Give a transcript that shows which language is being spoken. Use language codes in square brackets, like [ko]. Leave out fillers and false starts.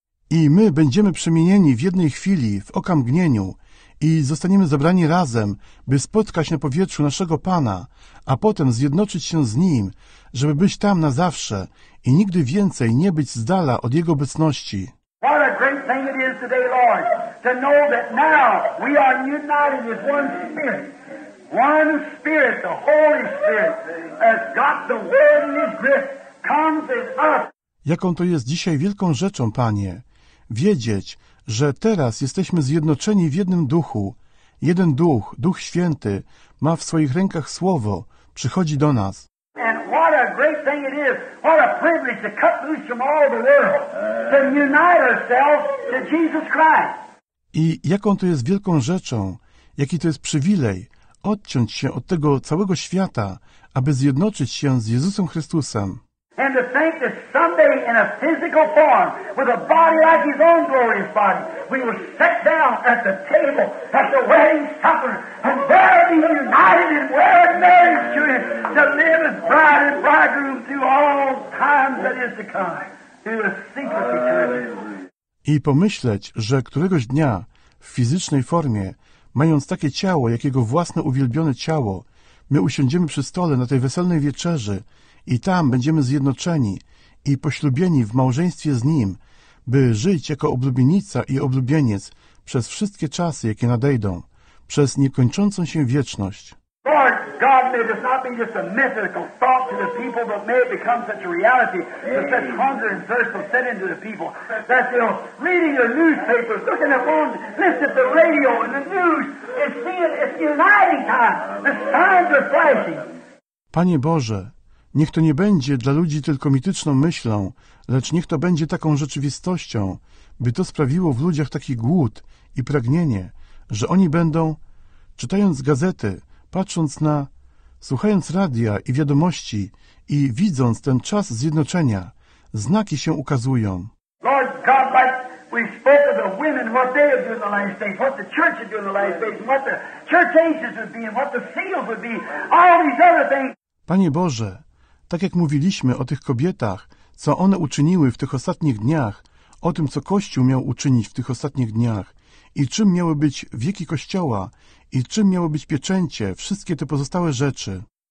[pl] I my będziemy przemienieni w jednej chwili, w okamgnieniu, i zostaniemy zebrani razem, by spotkać na powietrzu naszego Pana, a potem zjednoczyć się z Nim, żeby być tam na zawsze i nigdy więcej nie być z dala od Jego obecności. [en] What a great thing it is today, Lord, to know that now we are united as one Spirit. One Spirit, the Holy Spirit, has got the word in His grip, comes in us. [pl] Jaką to jest dzisiaj wielką rzeczą, Panie, wiedzieć, że teraz jesteśmy zjednoczeni w jednym duchu. Jeden duch, Duch Święty, ma w swoich rękach Słowo, przychodzi do nas. [en] And what a great thing it is, what a privilege to cut loose from all the world, to unite ourselves to Jesus Christ. [pl] I jaką to jest wielką rzeczą, jaki to jest przywilej, odciąć się od tego całego świata, aby zjednoczyć się z Jezusem Chrystusem. [en] And to think that someday in a physical form, with a body like His own glorious body, we will sit down at the table, at the wedding supper, and there be united and wed married to Him, to live as bride and bridegroom through all times that is to come, through the secret eternity. [pl] I pomyśleć, że któregoś dnia, w fizycznej formie, mając takie ciało, jak Jego własne uwielbione ciało, my usiądziemy przy stole na tej weselnej wieczerzy, i tam będziemy zjednoczeni i poślubieni w małżeństwie z Nim, by żyć jako oblubienica i oblubieniec przez wszystkie czasy, jakie nadejdą, przez niekończącą się wieczność. [en] Lord, God, may this not be just a mythical thought to the people, but may it become such a reality that such hunger and thirst will set into the people. That, you know, reading the newspapers, looking at the phone, listening to the radio and the news, and seeing it's uniting time. The signs are flashing. [pl] Panie Boże, niech to nie będzie dla ludzi tylko mityczną myślą, lecz niech to będzie taką rzeczywistością, by to sprawiło w ludziach taki głód i pragnienie, że oni będą, czytając gazety, patrząc na, słuchając radia i wiadomości i widząc ten czas zjednoczenia, znaki się ukazują. [en] Lord God, like we spoke of the women, what they would do in the last days, what the church would do in the last days, what the church ages would be, and what the seals would be, all these other things. [pl] Panie Boże, tak jak mówiliśmy o tych kobietach, co one uczyniły w tych ostatnich dniach, o tym, co Kościół miał uczynić w tych ostatnich dniach i czym miały być wieki Kościoła i czym miały być pieczęcie, wszystkie te pozostałe rzeczy.